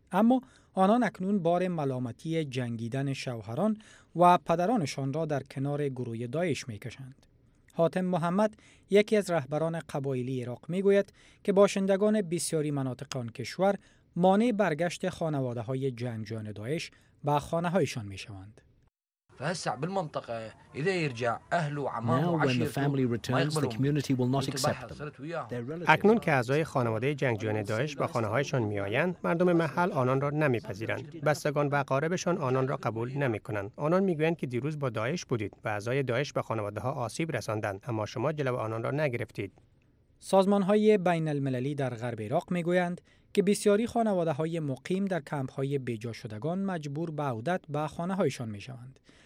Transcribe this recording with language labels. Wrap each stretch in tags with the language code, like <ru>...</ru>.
<fa>اما آنان اکنون بار ملامتی جنگیدن شوهران و پدرانشان را در کنار گروه داعش می کشند. حاتم محمد یکی از رهبران قبایلی عراق می گوید که باشندگان بسیاری مناطق آن کشور مانع برگشت خانواده های جنگجویان داعش به خانه هایشان می شوند.</fa> <ar>فهسع بالمنطقة إذا يرجع أهل وعمام وعشيرته ما يقبلون.</ar> <fa>اکنون که اعضای خانواده جنگجویان داعش با خانه هایشان می آیند، مردم محل آنان را نمی پذیرند. بستگان و اقاربشان آنان را قبول نمی کنند. آنان می گویند که دیروز با داعش بودید و اعضای داعش به خانواده ها آسیب رساندند، اما شما جلو آنان را نگرفتید. سازمان های بین المللی در غرب عراق می گویند که بسیاری خانواده های مقیم در کمپ های بیجا شدگان مجبور به عودت به خانه هایشان می شوند.</fa>